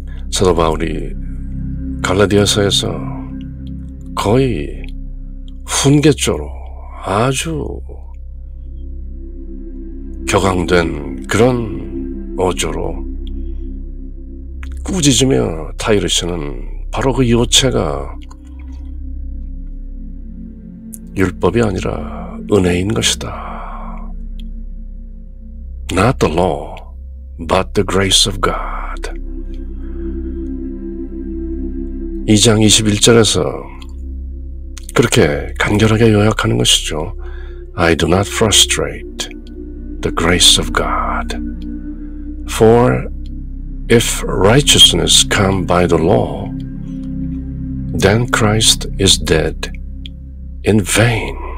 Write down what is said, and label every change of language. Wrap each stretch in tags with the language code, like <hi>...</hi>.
<ko>사도 바울이 갈라디아서에서 거의 훈계조로 아주 격앙된 그런 어조로 꾸짖으며 타이르시는 바로 그 요체가 율법이 아니라 은혜인 것이다.</ko> <en>Not the law, but the grace of God.</en> <ko>2장 21절에서 그렇게 간결하게 요약하는 것이죠.</ko> <en>I do not frustrate the grace of God. For if righteousness come by the law, then Christ is dead in vain.</en>